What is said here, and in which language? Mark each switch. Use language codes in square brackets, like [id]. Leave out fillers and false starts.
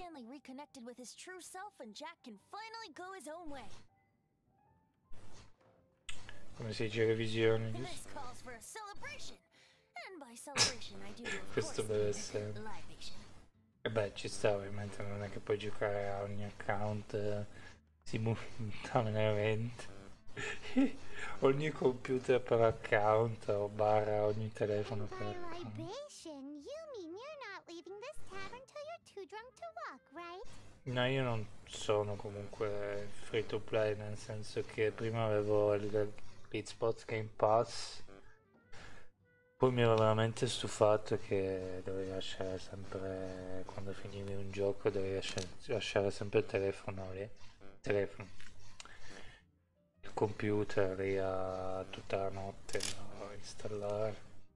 [en] reconnected with his true self and Jack can finally go his own way. [it] Come si dice revisione? [en] This calls for a celebration. And by celebration I do of [it] questo deve essere [en] libation. [it] E beh, ci sta, ovviamente non è che puoi giocare a ogni account simultaneamente. Ogni computer per account o barra ogni telefono per libation. [en] You mean you're not leaving this tavern till you're too drunk to walk, right? [it] No, io non sono comunque free to play, nel senso che prima avevo il Xbox Game Pass, poi mi ero veramente stufato che dovevi lasciare sempre, quando finivi un gioco dovevi lasciare sempre il telefono lì, il computer lì a tutta la notte a installare.